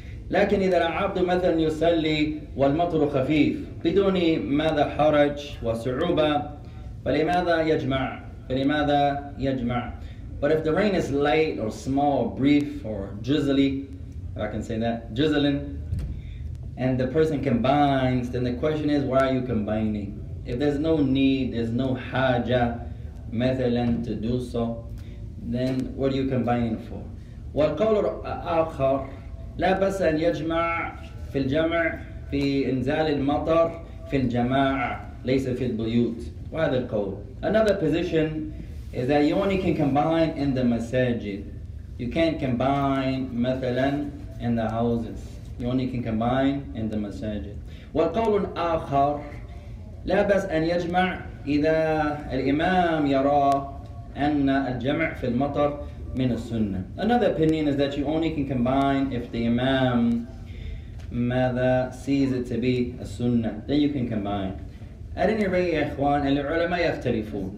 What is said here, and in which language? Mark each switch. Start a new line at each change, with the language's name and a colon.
Arabic: لكن إذا العبد مثلا يصلي والمطر خفيف بدون ماذا حرج وصعوبة فلماذا يجمع.
English: But if the rain is light or small or brief or drizzly, if I can say that, drizzling, and the person combines, then the question is, why are you combining? If there's no need, there's no haja, مثلاً, to do so, then what are you combining for?
Arabic: وَالْقَوْلُ الْآخَرُ لَا بَسَ أَنْ يَجْمَعْ في الجمع في إنزال المطر في الجماعة ليس في البيوت وهذا القول.
English: Another position is that you only can combine in the masajid. You can't combine مثلا in the houses. You only can combine in the masajid.
Arabic: والقول الآخر لا بأس أن يجمع إذا الإمام يرى أن الجمع في المطر من السنة.
English: Another opinion is that you only can combine if the Imam ماذا sees it to be a sunnah. Then you can combine. At any rate,
Arabic: يا إخوان, العلماء يختلفون.